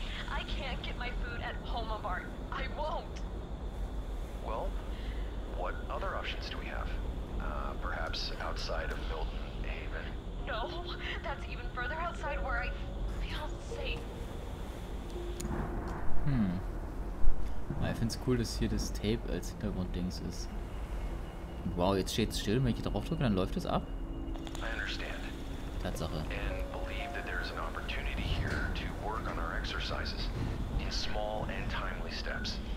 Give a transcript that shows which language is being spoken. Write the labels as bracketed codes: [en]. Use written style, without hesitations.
[en] I can't get my food at Homemart. I won't. Well, what other options do we have? Perhaps outside of Milton Haven? No, that's even further outside where I feel safe. [de] Ich finde es cool, dass hier das Tape als Hintergrunddings ist. Wow, jetzt steht es still. Wenn ich hier drauf drücke, dann läuft es ab. [en] I understand. [de] Tatsache. [en] And believe that there is an opportunity here to work on our exercises in small and timely steps.